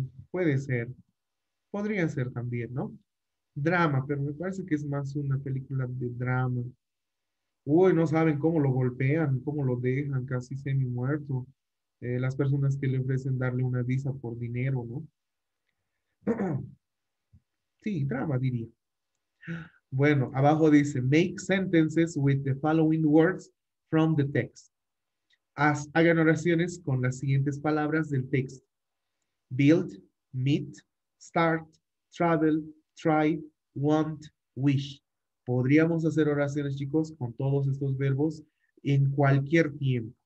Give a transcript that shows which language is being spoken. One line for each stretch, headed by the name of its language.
Spanish: Puede ser. Podría ser también, ¿no? Drama, pero me parece que es más una película de drama. Uy, no saben cómo lo golpean, cómo lo dejan casi semi muerto. Las personas que le ofrecen darle una visa por dinero, ¿no? Sí, drama diría. Bueno, abajo dice,
English: make sentences with the following words from the text.
Spanish: Hagan oraciones con las siguientes palabras del texto.
English: Build, meet, start, travel, try, want, wish.
Spanish: Podríamos hacer oraciones, chicos, con todos estos verbos en cualquier tiempo.